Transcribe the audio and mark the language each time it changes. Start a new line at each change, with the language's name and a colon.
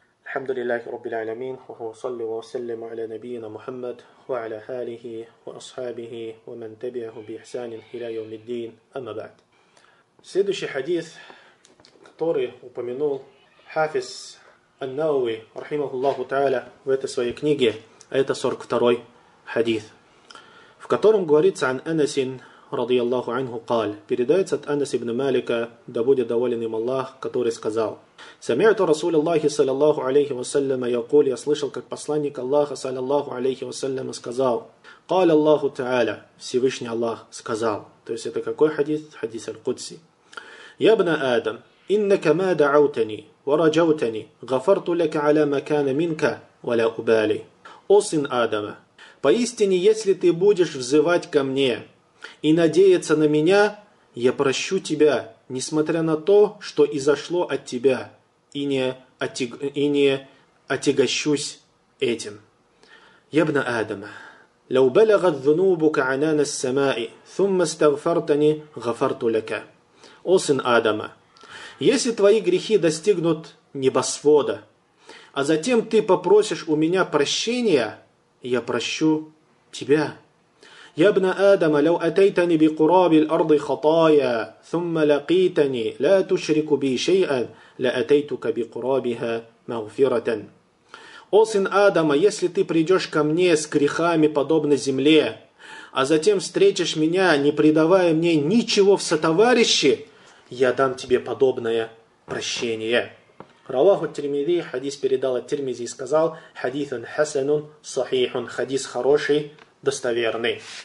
Arabic: الحمد لله رب العالمين وصلي وسلم على نبينا محمد وعلى آله وأصحابه ومن تبعه بإحسان إلى يوم الدين أما بعد.
Russian: Следующий хадис, который упомянул Хафиз ан-Науви рахимахуллаху тааля в этой своей книге, это 42-й хадис, в котором говорится
Arabic: عن أنس رضي الله عنه قال,
Russian: передается от Анаса ибн Малика, да будет доволен им Аллах, который сказал:
Arabic: سمعت رسول الله صلى الله عليه وسلم يقول,
Russian: я слышал, как посланник Аллаха
Arabic: صلى الله عليه وسلم
Russian: сказал,
Arabic: قال الله تعالى,
Russian: Всевышний Аллах сказал. То есть это какой хадис? Хадис Аль-Кудси.
Arabic: يا ابن آدم, إنك ما دعوتني ورجوتني غفرت لك على ما كان منك ولا أبالي.
Russian: О сын Адама, поистине, если ты будешь взывать ко мне и надеяться на меня, я прощу тебя, несмотря на то, что изошло от тебя, и не отягощусь этим.
Arabic: يبنى آدم, لو بلغت ذنوبك عنان السماء ثم استغفرتني غفرت لك.
Russian: О сын Адама, если твои грехи достигнут небосвода, а затем ты попросишь у меня прощения, я прощу тебя.
Arabic: يا ابن آدم لو أتيتني بقراب الأرض خطايا ثم لقيتني لا تشرك بي شيئا لأتيتك بقرابها مغفرة.
Russian: О сын Адама, если ты придешь ко мне с грехами подобно земле, а затем встретишь меня, не предавая мне ничего в сотоварищи, я дам тебе подобное прощение. Раваху Тирмизи, хадис передал от Тирмизи и сказал:
Arabic: хадисун хасанун сахихун,
Russian: хадис хороший, достоверный.